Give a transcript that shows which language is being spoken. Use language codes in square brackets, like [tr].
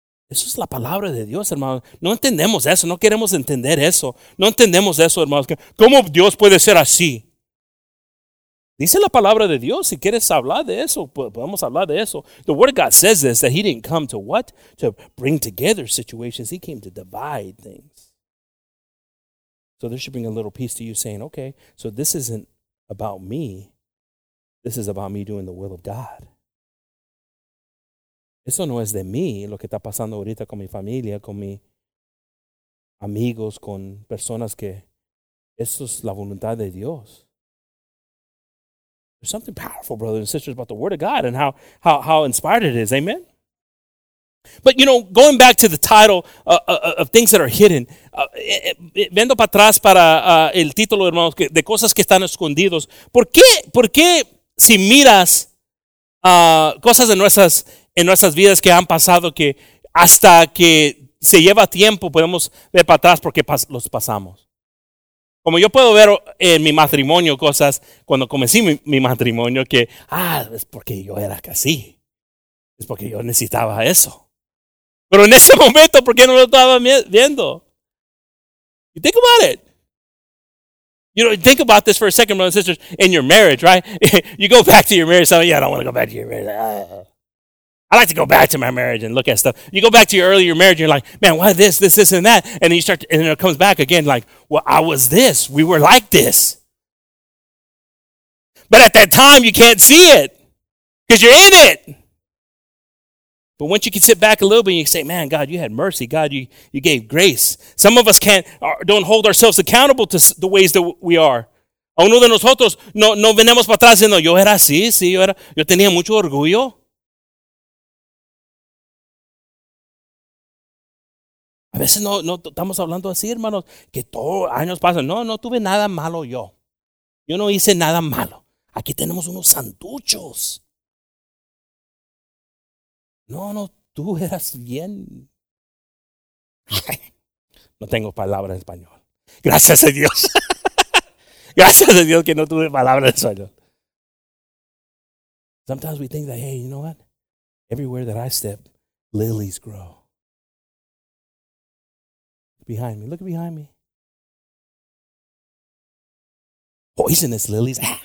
[es] Eso es la palabra de Dios, hermanos. No entendemos eso, no queremos entender eso. No entendemos eso, hermanos. ¿Cómo Dios puede ser así? Dice la palabra de Dios, si quieres hablar de eso, podemos hablar de eso. [en] The word of God says this, that He didn't come to what? To bring together situations. He came to divide things. So this should bring a little peace to you saying, okay, so this isn't about me. This is about me doing the will of God. [es] Eso no es de mí, lo que está pasando ahorita con mi familia, con mis amigos, con personas que... Eso es la voluntad de Dios. [en] There's something powerful, brothers and sisters, about the Word of God and how inspired it is. Amen? But, you know, going back to the title of things that are hidden, [es] viendo para atrás para el título, hermanos, de cosas que están escondidos, ¿por qué si miras cosas de nuestras... en nuestras vidas que han pasado, que hasta que se lleva tiempo podemos ver para atrás porque los pasamos? Como yo puedo ver en mi matrimonio cosas, cuando comencé mi matrimonio, que, es porque yo era así. Es porque yo necesitaba eso. Pero en ese momento, ¿por qué no lo estaba viendo? [en] You think about it. You know, think about this for a second, brothers and sisters, in your marriage, right? You go back to your marriage, so, yeah, I don't want to go back to your marriage. I like to go back to my marriage and look at stuff. You go back to your earlier marriage, you're like, man, why this, and that? And then you start, and it comes back again, like, well, I was this. We were like this. But at that time, you can't see it because you're in it. But once you can sit back a little bit and you say, man, God, you had mercy. God, you gave grace. Some of us don't hold ourselves accountable to the ways that we are. [es] A uno de nosotros no venimos para atrás diciendo, yo era así, sí, yo tenía mucho orgullo. A veces no estamos hablando así, hermanos, que todos años pasan. No tuve nada malo yo. Yo no hice nada malo. Aquí tenemos unos santuchos. No, tú eras bien. No tengo palabras en español. Gracias a Dios. Gracias a Dios que no tuve palabras en español. [en] Sometimes we think that, hey, you know what? Everywhere that I step, lilies grow. Behind me. Look behind me. Poisonous lilies.